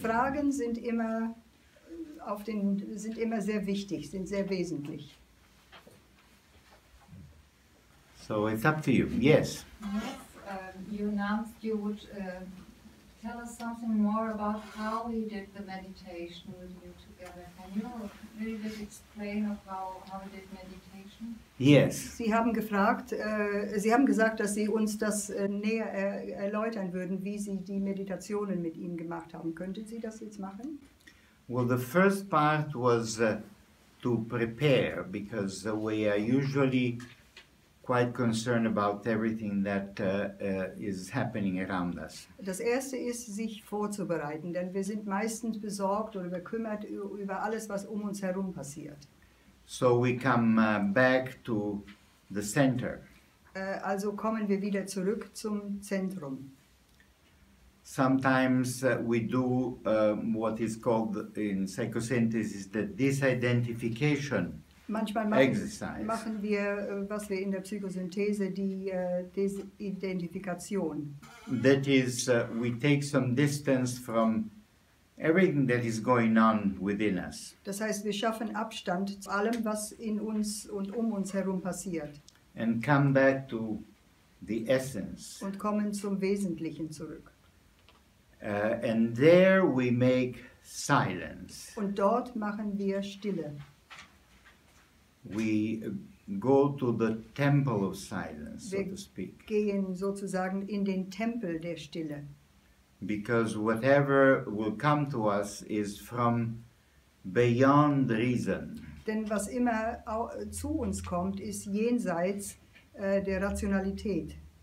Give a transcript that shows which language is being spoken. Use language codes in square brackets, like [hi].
[de] Fragen sind immer auf den sind immer sehr wichtig, sind sehr wesentlich. [en] So it's up to you. Yes. Yes, you announced you would tell us something more about how we did the meditation with you together. Can you really just explain of how we did meditation? Yes. [de] Sie haben gefragt, Sie haben gesagt, dass Sie uns das näher erläutern würden, wie Sie die Meditationen mit ihm gemacht haben. Könnten Sie das jetzt machen? [en] Well, the first part was to prepare, because we are usually quite concerned about everything that is happening around us. [de] Das erste ist, sich vorzubereiten, denn wir sind meistens besorgt oder bekümmert über alles, was uns herum passiert. [en] So we come back to the center. [de] Also kommen wir wieder zurück zum Zentrum. [en] Sometimes we do what is called in psychosynthese the disidentification exercise. [de] Manchmal machen wir, was wir in der Psychosynthese, die Desidentifikation. [en] That is, we take some distance from everything that is going on within us. [de] Das heißt, wir schaffen Abstand zu allem, was in uns und uns herum passiert. [en] And come back to the essence. [de] Und kommen zum Wesentlichen zurück. [en] And there we make silence. [de] Und dort machen wir Stille. [en] We go to the temple of silence, [de] wir [en] so to speak. [de] Gehen sozusagen in den Tempel der Stille. [en] Because whatever will come to us is from beyond reason. [de] Denn was immer zu uns kommt, ist jenseits der Rationalität.